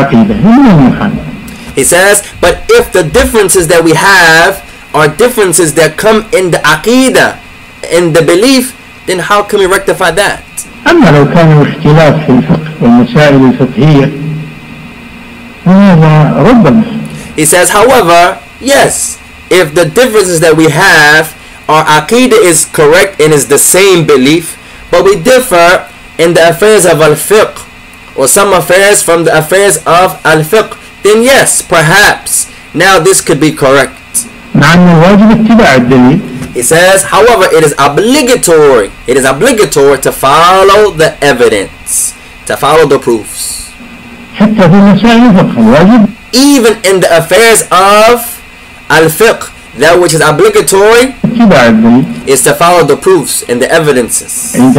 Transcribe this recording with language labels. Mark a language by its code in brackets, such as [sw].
[en] He says, but if the differences that we have are differences that come in the aqidah, in the belief, then how can we rectify that? [ar] أما لو كان الاختلاف في الفقه والمسائل الفقهية هذا ربما. [en] He says, however, yes, if the differences that we have, our aqidah is correct and is the same belief, but we differ in the affairs of al-fiqh or some affairs from the affairs of al-fiqh, then yes, perhaps now this could be correct. [ar] مع أن الواجب اتباع الدليل. [en] He says, however, it is obligatory to follow the evidence, to follow the proofs. Even in the affairs of al-fiqh, that which is obligatory is to follow the proofs and the evidences.